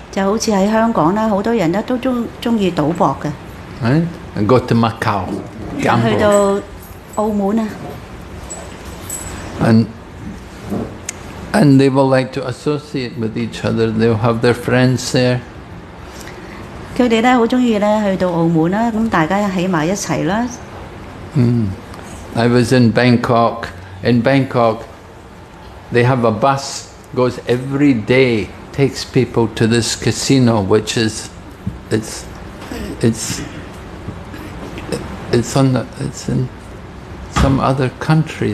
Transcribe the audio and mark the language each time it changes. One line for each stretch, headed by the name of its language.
Cantonese: 就好似喺香港咧，好多人咧都中意賭博嘅。
English: Go to Macau.
Cantonese: 去到澳門啊。
English: And they will like to associate with each other. They'll have their friends there.
Cantonese: 佢哋咧好中意咧去到澳門啦，咁大家喺埋一齊啦。
English: I was in Bangkok. In Bangkok, they have a bus goes every day. Takes people to this casino, which is, it's in some other country.